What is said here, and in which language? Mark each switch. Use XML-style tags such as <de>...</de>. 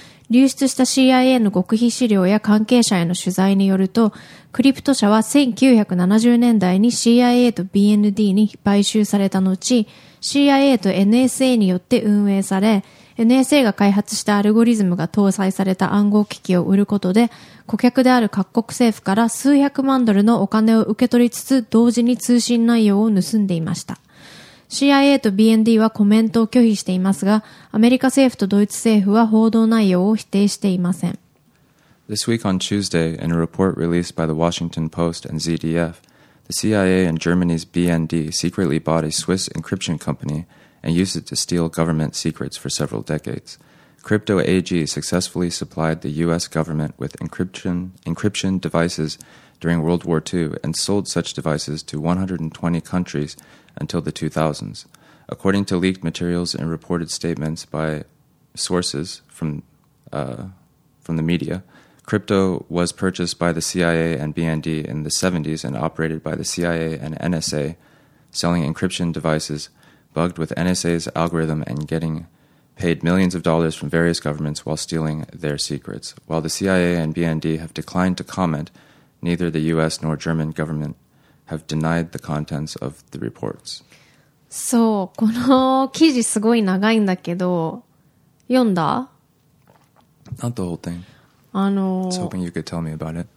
<ja>流出した CIA の極秘資料や関係者への取材によると、クリプト社は1970年代に CIA と BND に買収された後、CIA と NSA によって運営され、NSA が開発したアルゴリズムが搭載された暗号機器を売ることで、顧客である各国政府から数百万ドルのお金を受け取りつつ、同時に通信内容を盗んでいました。 CIA と BND はコメントを拒否していますが、アメリカ政府とドイツ政府は報道内容を否定していません。</ja> <en>This week on Tuesday, in a report released by the Washington Post and ZDF, the CIA and Germany's BND secretly bought a Swiss encryption company and used it to steal government secrets for several decades. Crypto AG successfully supplied the US government with encryption devices during World War II and sold such devices to 120 countries until the 2000s. According to leaked materials and reported statements by sources from the media, crypto was purchased by the CIA and BND in the 70s and operated by the CIA and NSA, selling encryption devicesbugged with NSA's algorithm and getting paid millions of dollars from various governments while stealing their secrets. While the CIA and BND have declined to comment, neither the US nor German government have denied the contents of the reports.</en> <ja>そう、この記事すごい長いんだけど、読んだ?</ja> <en>Not the whole thing. I was hoping you could tell me about it.</en>